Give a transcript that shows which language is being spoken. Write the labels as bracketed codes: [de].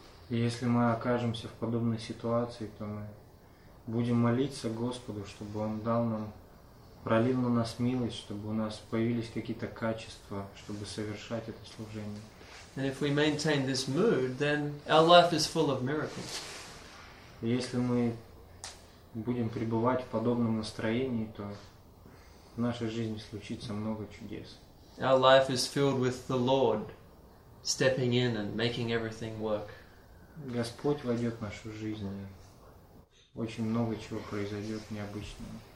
[ru] Если мы окажемся в подобной ситуации, то мы будем молиться Господу, чтобы Он дал нам, пролил на нас милость, чтобы у нас появились какие-то качества, чтобы совершать это служение. [en] And if we maintain this mood, then our life is full of miracles. [ru] Если мы будем пребывать в подобном настроении, то в нашей жизни случится много чудес. [en] Our life is filled with the Lord stepping in and making everything work. [ru] Господь войдет в нашу жизнь, и очень много чего произойдет необычного.